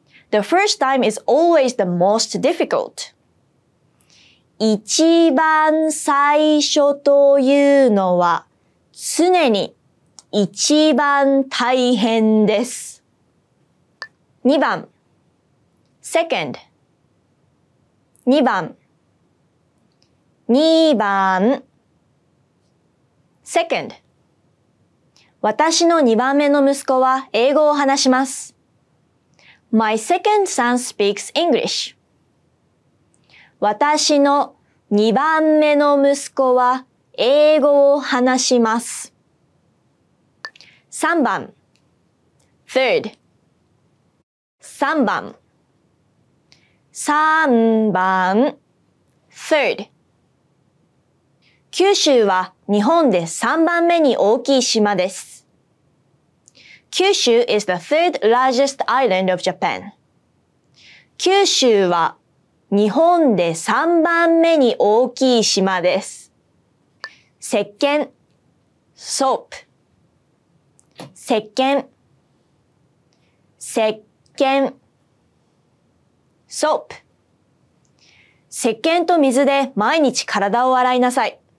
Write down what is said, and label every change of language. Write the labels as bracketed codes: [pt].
[en] The first time is always the most difficult. [ja] 一番最初というのは常に一番大変です。 2番 second 2番2番 second 私の2番目の息子は英語を話します。 [en] My second son speaks English. [ja] 私の2番目の息子は英語を話します。 3番 third 3番3番 third 九州は日本で3番目に大きい島です。 [en] 九州 is the third largest island of Japan. [ja] 九州は日本で3番目に大きい島です。石鹸 soap 石鹸石鹸 soap 石鹸と水で毎日体を洗いなさい。